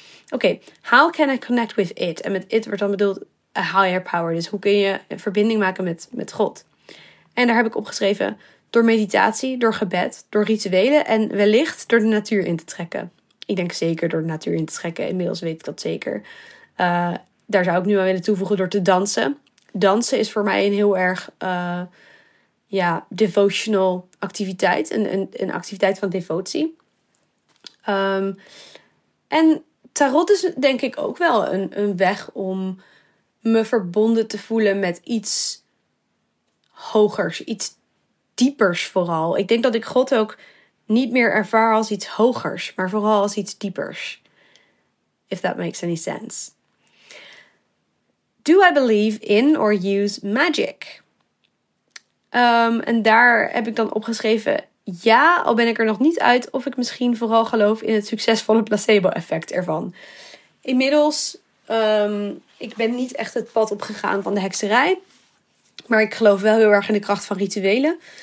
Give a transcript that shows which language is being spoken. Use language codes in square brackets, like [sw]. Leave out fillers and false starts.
[en] Oké, how can I connect with it? [nl] En met it wordt dan bedoeld [en] a higher power. [nl] Dus hoe kun je een verbinding maken met God? En daar heb ik opgeschreven door meditatie, door gebed, door rituelen en wellicht door de natuur in te trekken. Ik denk zeker door de natuur in te trekken. Inmiddels weet ik dat zeker. Daar zou ik nu aan willen toevoegen door te dansen. Dansen is voor mij een heel erg... ja, devotional activiteit. Een activiteit van devotie. En tarot is denk ik ook wel een weg om me verbonden te voelen met iets hogers. Iets diepers vooral. Ik denk dat ik God ook niet meer ervaar als iets hogers. Maar vooral als iets diepers. [en] If that makes any sense. Do I believe in or use magic? [nl] En daar heb ik dan opgeschreven, ja, al ben ik er nog niet uit of ik misschien vooral geloof in het succesvolle placebo-effect ervan. Inmiddels, ik ben niet echt het pad opgegaan van de hekserij, maar ik geloof wel heel erg in de kracht van rituelen.